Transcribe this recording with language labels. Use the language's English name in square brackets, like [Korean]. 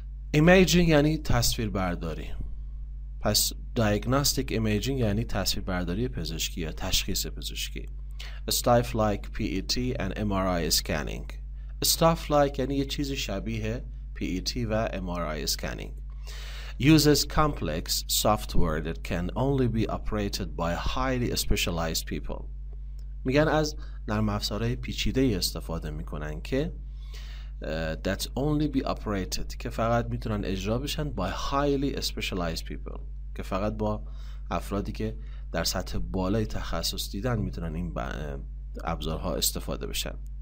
[Persian] ایمیجینگ یعنی تصویر برداری، پس دیاگناستیک ایمیجینگ یعنی تصویر برداری پزشکی یا تشخیص پزشکی. [English] Stuff like P E T and M R I scanning. Stuff like [Persian] یعنی یه چیز شبیه [English] P E T و M R I scanning. uses complex software that can only be operated by highly specialized people. [Persian] میگن از نرم افزارهای پیچیده استفاده میکنن که [English] that only be operated، [Persian] که فقط میتونن اجرا بشن، [English] by highly specialized people، [Persian] که فقط با افرادی که در سطح بالای تخصص دیدن میتونن این ابزارها استفاده بشن.